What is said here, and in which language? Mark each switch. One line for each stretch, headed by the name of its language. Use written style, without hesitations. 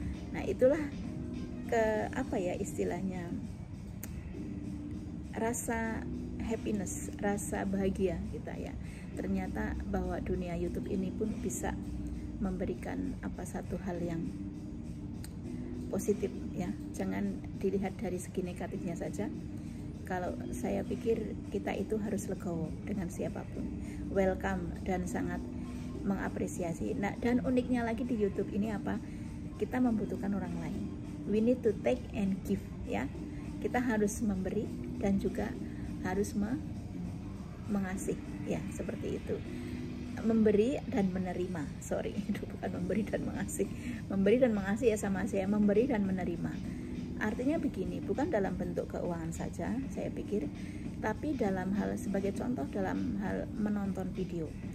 Indonesian: Nah itulah ke apa ya istilahnya, rasa happiness, rasa bahagia kita ya, ternyata bahwa dunia YouTube ini pun bisa memberikan apa satu hal yang positif ya. Jangan dilihat dari segi negatifnya saja. Kalau saya pikir kita itu harus legowo dengan siapapun, welcome dan sangat mengapresiasi. Nah, dan uniknya lagi di YouTube ini apa? Kita membutuhkan orang lain.
English: We need to take and give ya.
Indonesian: Kita harus memberi dan juga harus mengasih ya, seperti itu. Memberi dan menerima. Sorry, itu bukan memberi dan mengasih. Memberi dan mengasih ya sama saya, memberi dan menerima. Artinya begini, bukan dalam bentuk keuangan saja saya pikir, tapi dalam hal, sebagai contoh dalam hal menonton video.